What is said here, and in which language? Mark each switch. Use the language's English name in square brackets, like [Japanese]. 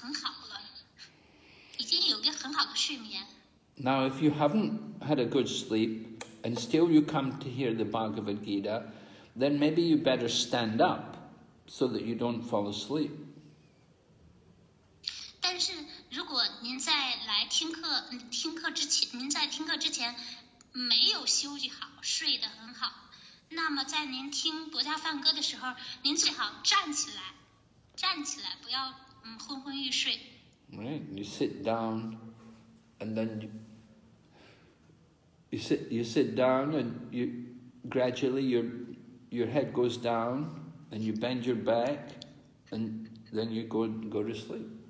[Chinese] 理想的状态，状况就是当你聆听经典《佛教梵歌》之前，你应该在聆听之前就是已经睡得很好了，已经有一个很好的睡眠。 [English] Now, if you haven't had a good sleep and still you come to hear the Bhagavad Gita, then maybe you better stand up so that you don't fall asleep. [Chinese] 但是如果您在来听课之前没有休息好，睡得很好，那么在您听《佛教梵歌》的时候，您最好站起来，不要昏昏欲睡。 [English] Right, you sit down and then you sit down and you gradually your head goes down and you bend your back and then you go to sleep.